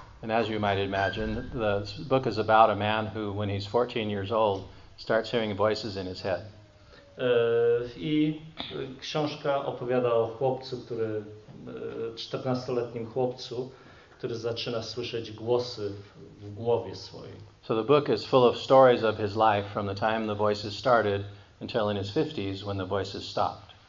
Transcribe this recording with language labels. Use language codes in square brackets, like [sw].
[en] And as you might imagine, the book is about a man who, when he's 14 years old, starts hearing voices in his head. [pl] I książka opowiada o chłopcu, który 14-letnim chłopcu, który zaczyna słyszeć głosy w głowie swojej. [en] So the book is full of stories of his life from the time the voices started until in his 50s when the voices stopped.